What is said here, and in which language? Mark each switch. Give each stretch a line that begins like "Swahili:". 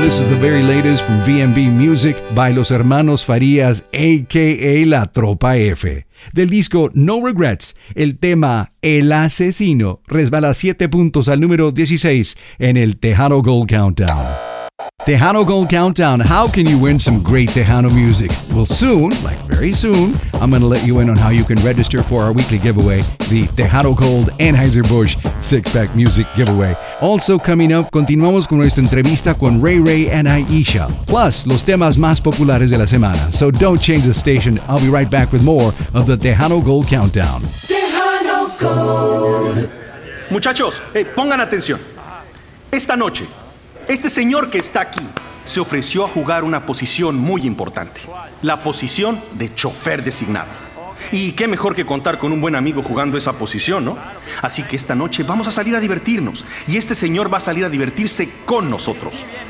English: This is the very latest from VMB Music by Los Hermanos Farías, a.k.a.
Spanish: La Tropa F. Del disco No Regrets, el tema El Asesino resbala 7 puntos al número 16 en el Tejano Gold Countdown.
English: Tejano Gold Countdown, how can you win some great Tejano music? Well, soon, like very soon, I'm going to let you in on how you can register for our weekly giveaway, the Tejano Gold Anheuser-Busch Six-Pack Music Giveaway. Also coming up,
Spanish: continuamos con nuestra entrevista con Ray Ray and Aisha, plus los temas más populares de la semana.
English: So don't change the station. I'll be right back with more of the Tejano Gold Countdown. Tejano Gold.
Spanish: Muchachos, hey, pongan atención. Esta noche, este señor que está aquí se ofreció a jugar una posición muy importante. La posición de chofer designado. Y qué mejor que contar con un buen amigo jugando esa posición, ¿no? Así que esta noche vamos a salir a divertirnos. Y este señor va a salir a divertirse con nosotros.